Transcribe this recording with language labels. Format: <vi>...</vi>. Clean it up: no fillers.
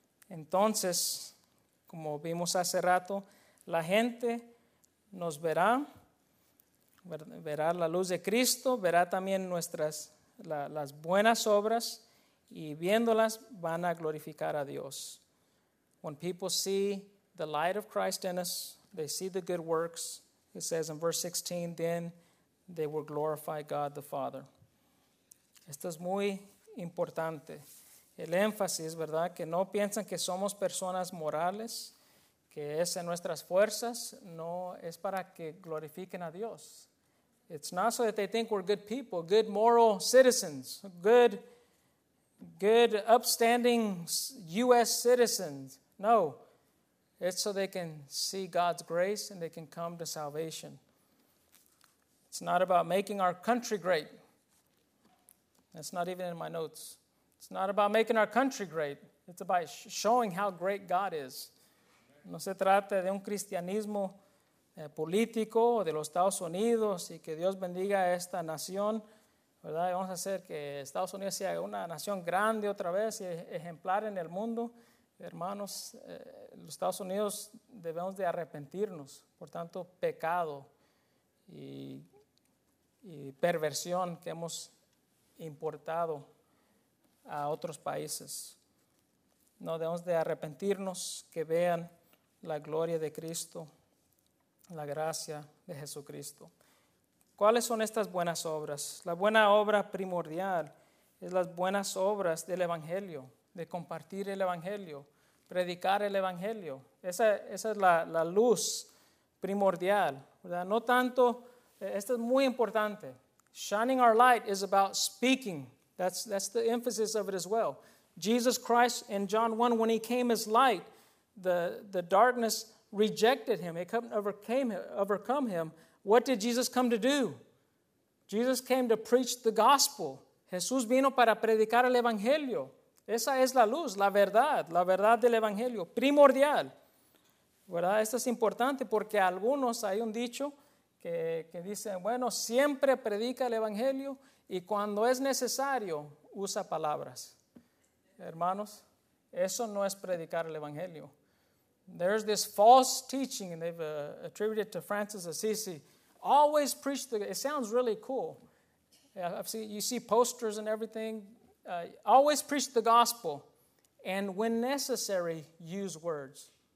<es>Entonces, como vimos hace rato, la gente nos verá. Verá la luz de Cristo. Verá también las buenas obras. Y viéndolas, van a glorificar a Dios.</es> <en>When people see the light of Christ in us, they see the good works. It says in verse 16, then they will glorify God the Father.</en> <es>Esto es muy importante. el énfasis, ¿verdad? Que no piensan que somos personas morales, que es en nuestras fuerzas, no es para que glorifiquen a Dios.</es> <en>It's not so that they think we're good people, good moral citizens, good upstanding U.S. citizens. No, it's so they can see God's grace and they can come to salvation. It's not about making our country great. That's not even in my notes. It's not about making our country great. It's about showing how great God is.</en> <es>No se trata de un cristianismo político de los Estados Unidos y que Dios bendiga a esta nación, ¿verdad? Vamos a hacer que Estados Unidos sea una nación grande otra vez y ejemplar en el mundo. Hermanos, los Estados Unidos debemos de arrepentirnos por tanto pecado y perversión que hemos importado a otros países. No debemos de arrepentirnos, que vean la gloria de Cristo, la gracia de Jesucristo. ¿Cuáles son estas buenas obras? La buena obra primordial es las buenas obras del Evangelio, de compartir el Evangelio, predicar el Evangelio. Esa es la luz primordial, ¿verdad? No tanto, esto es muy importante.</es> <en>Shining our light is about speaking. That's the emphasis of it as well. Jesus Christ in John 1, when he came as light, the darkness rejected him. It couldn't overcome him. What did Jesus come to do? Jesus came to preach the gospel.</en> <es>Jesús vino para predicar el Evangelio. Esa es la luz, la verdad del Evangelio, primordial. ¿Verdad? Esto es importante porque algunos, hay un dicho que dicen, bueno, siempre predica el Evangelio y cuando es necesario, usa palabras. Hermanos, eso no es predicar el Evangelio.</es> <en>There's this false teaching, and they've attributed to Francis Assisi. Always preach the gospel. It sounds really cool. You see posters and everything. Always preach the gospel. And when necessary, use words.</en>